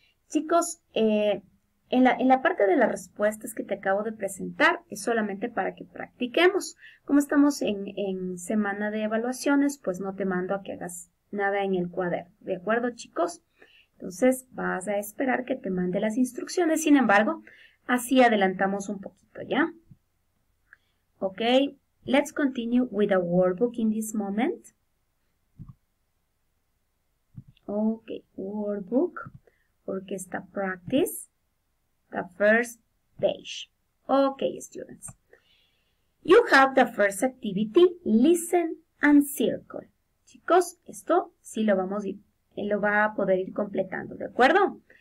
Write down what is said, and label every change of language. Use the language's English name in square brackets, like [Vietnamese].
[Spanish] Chicos, en la parte de las respuestas que te acabo de presentar, es solamente para que practiquemos. Como estamos en semana de evaluaciones, pues no te mando a que hagas nada en el cuaderno. ¿De acuerdo, chicos? Entonces, vas a esperar que te mande las instrucciones. Sin embargo, así adelantamos un poquito, ¿ya? [English] Ok, let's continue with the workbook in this moment. Okay, workbook, orchestra practice, the first page. Okay, students. You have the first activity, listen and circle. [Spanish] Chicos, esto sí lo va a poder ir completando, ¿de acuerdo?